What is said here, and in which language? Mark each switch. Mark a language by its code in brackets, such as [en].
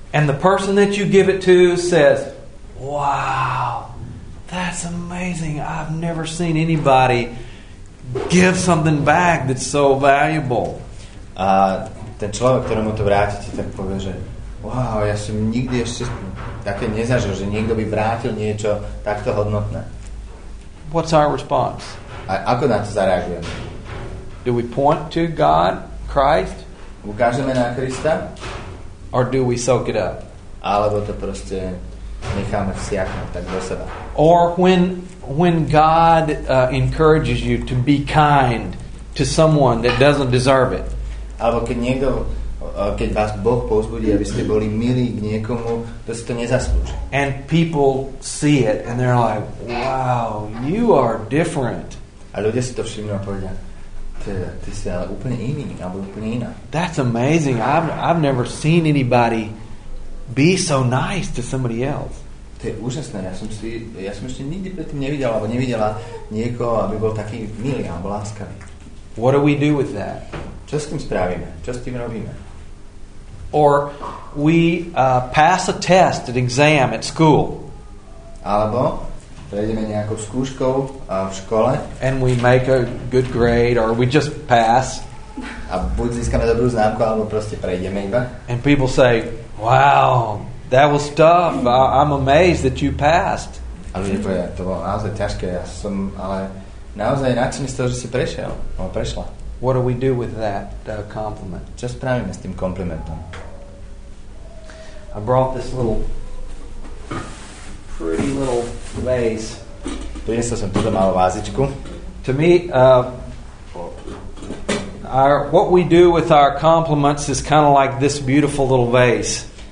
[en] And the person that you give it to says, wow, that's amazing. I've never seen anybody give something back that's so valuable. [sk] A ten človek, ktorému to vrátite, tak povie, že wow, ja som nikdy ešte také nezažil, že niekto by vrátil niečo takto hodnotné. [en] What's our response? [sk] A ako na to zareagujeme? [en] Do we point to God, Christ? [sk] Ukážeme na Krista? [en] Or do we soak it up? [sk] Alebo to proste necháme vsiaknúť tak do seba. [en] Or when God encourages you to be kind to someone that doesn't deserve it. [sk] Alebo keď niekto keď vás Boh povzbudí, aby ste boli milí k niekomu, to si to nezaslúži. [en] And people see it and they're like, wow, you are different. [sk] A ľudia si to všimnú a povedia, ty si ale úplne iný, alebo úplne iná. [en] That's amazing. I've never seen anybody be so nice to somebody else. [sk] To je úžasné. Ja som ešte nikdy predtým nevidel, alebo nevidela niekoho, aby bol taký milý alebo láskavý. [en] What do we do with that? [sk] Čo s tým spravíme? Čo s tým robíme? [en] Or we pass a test, an exam at school. [sk] Alebo prejdeme nejakou skúškou v škole. [en] And we make a good grade, or we just pass. [sk] A buď získame dobrú známku, alebo proste prejdeme iba. [en] And people say, wow, that was tough. I'm amazed that you passed. [sk] A ľudia povedia, to bolo naozaj ťažké. Ja som ale naozaj nadšený z toho, že si prešiel. Ale prešla. [en] What do we do with that compliment? [sk] Čo spravíme s tým komplimentom? [en] I brought this little pretty little vase. [sk] Priniesol som túto malú vázičku. [en] To me, what we do with our compliments is kind of like this beautiful little vase.